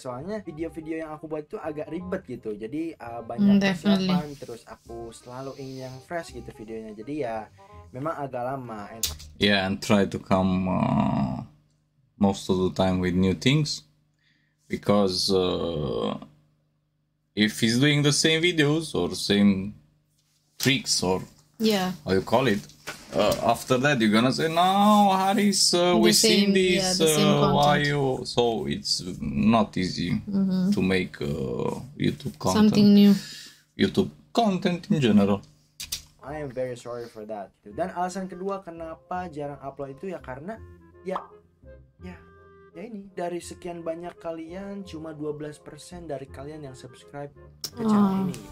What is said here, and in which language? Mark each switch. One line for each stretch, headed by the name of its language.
Indonesian: Soalnya video-video yang aku buat itu agak ribet gitu. Jadi banyak persiapan. Terus aku selalu ingin yang fresh gitu videonya. Jadi ya, memang agak lama.
English: Yeah, and try to come most of the time with new things. Because if he's doing the same videos or same tricks or how you call it. After that, you're gonna say, no, Harris, we've seen this, why you... So it's not easy to make YouTube content. Something new. YouTube content in general. I am very sorry for that.
Indonesian: Dan alasan kedua kenapa jarang upload itu ya karena, ya ini, dari sekian banyak kalian, cuma 12% dari kalian yang subscribe ke channel ini.